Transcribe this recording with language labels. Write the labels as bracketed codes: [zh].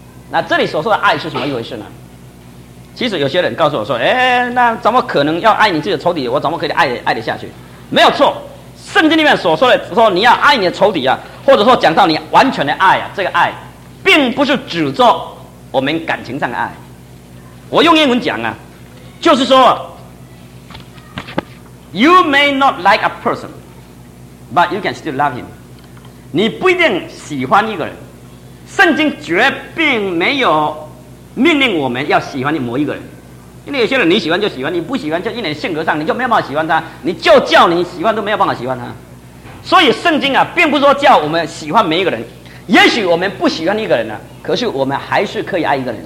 [zh] 那这里所说的爱是什么一回事呢？其实有些人告诉我说，哎，那怎么可能要爱你自己的仇敌，我怎么可以爱得下去？没有错，圣经里面所说的说你要爱你的仇敌啊，或者说讲到你完全的爱啊，这个爱并不是指着我们感情上的爱。我用英文讲啊，就是说 [en] You may not like a person, but you can still love him. [zh] 你不一定喜欢一个人，圣经绝并没有命令我们要喜欢某一个人。因为有些人你喜欢就喜欢，你不喜欢就因为性格上你就没有办法喜欢他，你就叫你喜欢都没有办法喜欢他。所以圣经啊，并不是说叫我们喜欢每一个人。也许我们不喜欢一个人呢、啊，可是我们还是可以爱一个人。